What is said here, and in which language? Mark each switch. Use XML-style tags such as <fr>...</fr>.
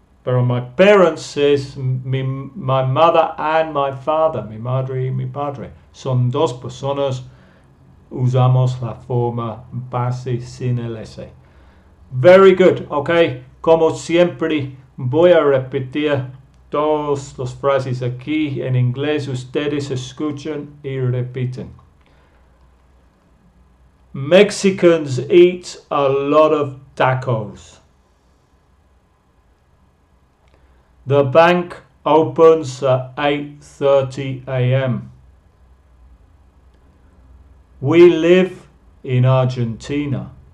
<es>Pero</es> <en>my parents es my mother and my father.</en> <es>Mi madre y mi padre. Son dos personas. Usamos la forma base sin el S.</es> <en>Very good.</en> <es>Ok. Como siempre, voy a repetir todas las frases aquí en inglés. Ustedes escuchan y repiten.</es> <en>Mexicans eat a lot of tacos. The bank opens at 8:30 a.m. We live in Argentina.</en>